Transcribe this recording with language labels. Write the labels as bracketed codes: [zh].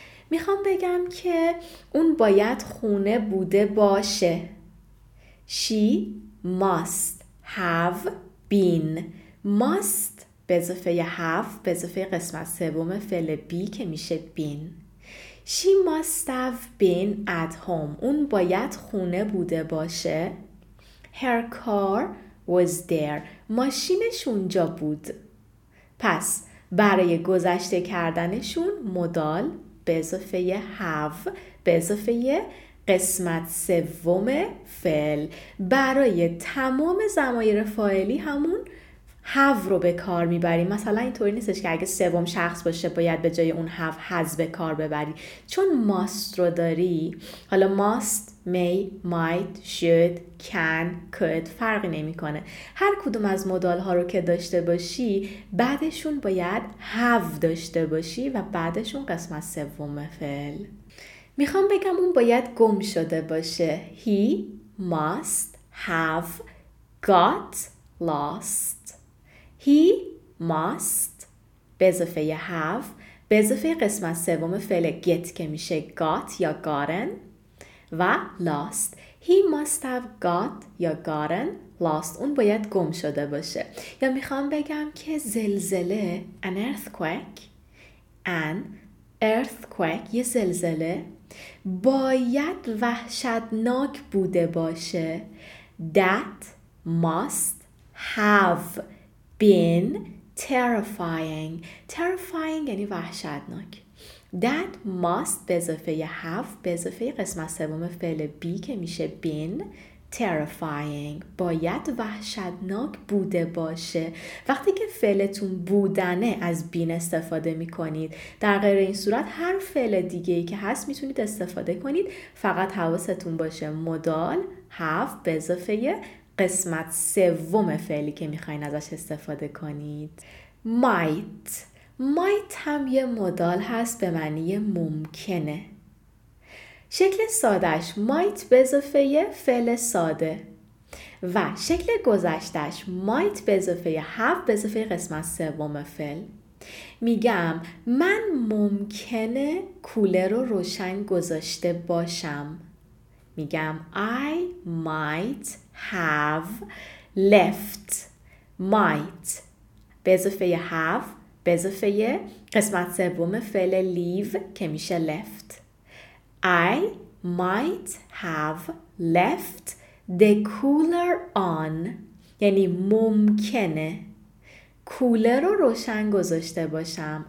[fa] میخوام بگم که اون باید خونه بوده باشه. [en] She must have been. [fa] must به اضافه have به اضافه قسمت سوم فعل be که میشه been. [en] She must have been at home. [fa] اون باید خونه بوده باشه. [en] Her car was there. [fa] ماشینش اونجا بود. پس برای گذشته کردنشون مدال به اضافه have به اضافه قسمت سوم فعل. برای تمام ضمایر فاعلی همون have رو به کار میبریم. مثلا اینطوری نیستش که اگه سوم شخص باشه باید به جای اون have has به کار ببری، چون must رو داری. حالا must، may، might، should، can، could فرقی نمیکنه. هر کدوم از مدال ها رو که داشته باشی بعدشون باید have داشته باشی و بعدشون قسمت سوم فعل. میخوام بگم اون باید گم شده باشه. [en] He must have got lost. He must [fa] به اضافه have به اضافه قسمت سوم فعل get که میشه got یا gotten و lost. [en] He must have got یا gotten lost. [fa] اون باید گم شده باشه. یا میخوام بگم که زلزله، an earthquake، an earthquake یه زلزله باید وحشتناک بوده باشه. [en] That must have been terrifying. [fa] Terrifying یعنی وحشتناک. [en] That must [fa] به اضافه have به اضافه قسمت سوم فعل be که میشه been terrifying. باید وحشتناک بوده باشه. وقتی که فعلتون بودنه از been استفاده میکنید. در غیر این صورت هر فعل دیگه‌ای که هست میتونید استفاده کنید. فقط حواستون باشه مدال have به اضافه قسمت سوم فعلی که میخواین ازش استفاده کنید. might، might هم یه مدال هست به معنی ممکنه. شکل سادهش might به اضافه فعل ساده و شکل گذشتهش might به اضافه have به اضافه قسمت سوم فعل. میگم من ممکنه کولر رو روشن گذاشته باشم. [en] میگم I might have left. [fa] Might به اضافه have به اضافه قسمت سوم فعل leave که میشه left. [en] I might have left the cooler on. [fa] یعنی ممکنه کولر رو روشن گذاشته باشم.